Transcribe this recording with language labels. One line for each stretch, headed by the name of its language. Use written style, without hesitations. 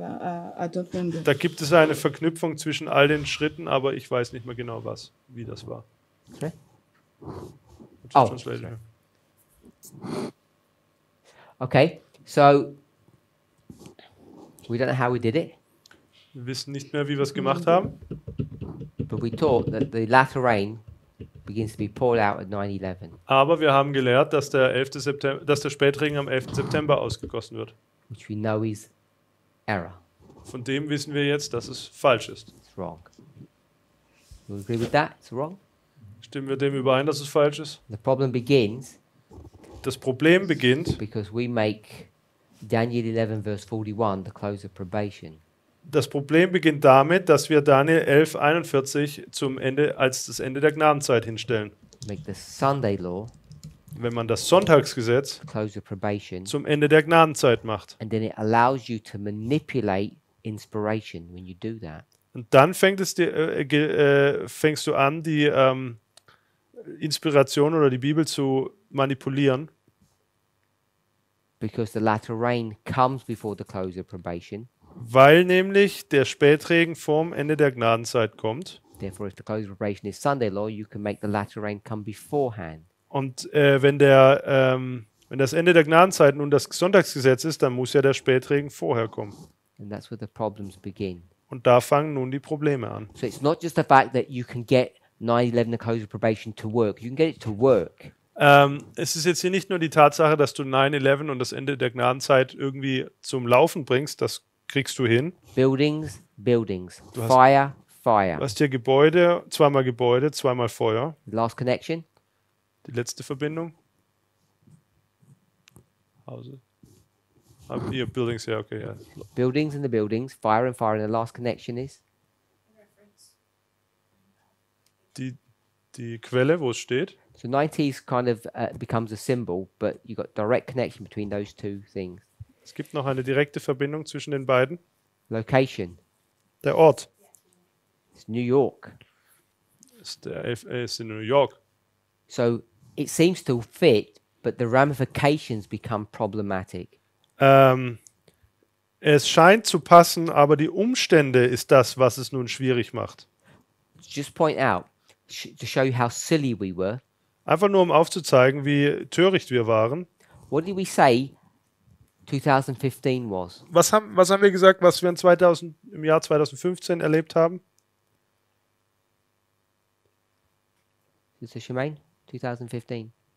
English: I don't remember.
German: Da gibt es eine Verknüpfung zwischen all den Schritten, aber ich weiß nicht mehr genau, was, wie das war.
English: Okay. Okay. So we don't know how we did it.
German: Wir wissen nicht mehr, wie wir es gemacht haben.
English: But we taught that the latter rain begins to be poured out at 9/11.
German: Aber wir haben gelehrt, dass der 11. September, dass der Spätregen am 11. September ausgegossen wird.
English: Which we know is error.
German: Von dem wissen wir jetzt, dass es falsch ist.
English: It's wrong. You agree with that? It's wrong.
German: Stimmen wir dem überein, dass es falsch ist?
English: The problem begins.
German: Das Problem beginnt.
English: Because we make Daniel 11 verse 41 the close of probation.
German: Das Problem beginnt damit, dass wir Daniel 11, 41 zum Ende, als das Ende der Gnadenzeit hinstellen.
English: Make the Sunday law,
German: wenn man das Sonntagsgesetz
English: close of probation,
German: zum Ende der Gnadenzeit macht.
English: And then it allows you to manipulate inspiration when you do that.
German: Und dann fängt es dir, fängst du an, die Inspiration oder die Bibel zu manipulieren.
English: Because the latter rain comes before the close of probation.
German: Weil nämlich der Spätregen vorm Ende der Gnadenzeit kommt.
English: Therefore, if the close of probation is Sunday law, you can make the latter rain come beforehand.
German: Und wenn das Ende der Gnadenzeit nun das Sonntagsgesetz ist, dann muss ja der Spätregen vorher kommen.
English: And that's where the problems begin.
German: Und da fangen nun die Probleme an.
English: So it's not just the fact that you can get 9-11 the close of probation to work. You can get it to work.
German: Es ist jetzt hier nicht nur die Tatsache, dass du 9-11 und das Ende der Gnadenzeit irgendwie zum Laufen bringst, das kriegst du hin.
English: Buildings, buildings.
German: Du hast,
English: fire, fire.
German: Du hast hier Gebäude, zweimal Feuer.
English: Last connection.
German: Die letzte Verbindung. Hause. Hier,
English: buildings,
German: ja,
English: yeah, okay. Yeah. Buildings and the buildings, fire and fire and the last connection is?
German: Die Quelle, wo es steht.
English: So 90s kind of becomes a symbol, but you got direct connection between those two things.
German: Es gibt noch eine direkte Verbindung zwischen den beiden.
English: Location.
German: Der Ort.
English: It's New York.
German: Ist in New York.
English: So it seems to fit, but the ramifications become problematic.
German: Es scheint zu passen, aber die Umstände ist das, was es nun schwierig macht.
English: Just point out to show you how silly we were.
German: Einfach nur um aufzuzeigen, wie töricht wir waren.
English: What did we say? 2015 was.
German: Was haben wir gesagt, was wir im Jahr 2015 erlebt haben?
English: Is this what you mean? 2015.